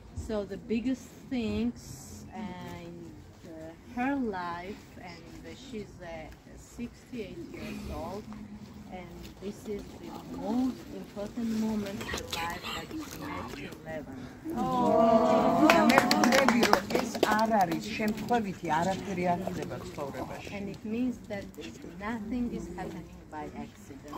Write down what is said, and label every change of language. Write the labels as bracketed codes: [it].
[en] So the biggest things in her life and she's 68 years old and this is the most important moment in her life that she met [ka] ლევანს. Oh, მე ვფიქრობ რომ ეს არ არის შემთხვევითი, არაფერი არ ხდება ცხოვრებაში. [en] And it means that nothing is happening by accident.